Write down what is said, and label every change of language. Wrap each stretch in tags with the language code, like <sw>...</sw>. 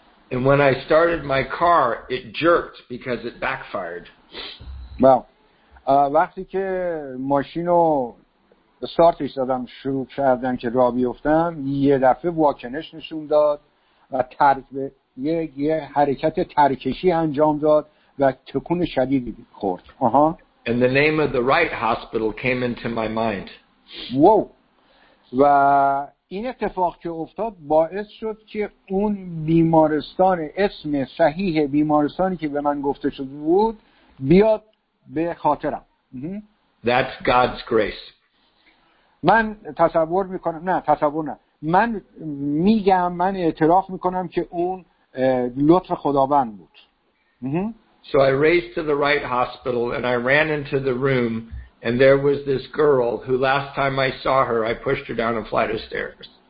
<en>And when I started my car, it jerked because it backfired.</en> <fa>Well, وقتی که ماشین رو استارتش دادم، شروع کردم که راه بیفتم، یه دفعه واکنش نشون داد و یه حرکت ترکشی انجام داد و تکون شدیدی خورد.</fa> <en>And the name of the right hospital came into my mind. Wow.</en> <fa>و این اتفاق که افتاد باعث شد که اون بیمارستان، اسم صحیح بیمارستانی که به من گفته شده بود، بیاد به خاطرم.</fa> <en>That's God's grace.</en> <fa>من تصور میکنم، نه تصور نه، من میگم، من اعتراف میکنم که اون لطف خداوند بود.</fa> <en>So I raced to the right hospital and I ran into the room and there was this girl who last time I saw her I pushed her down a flight of stairs.</en>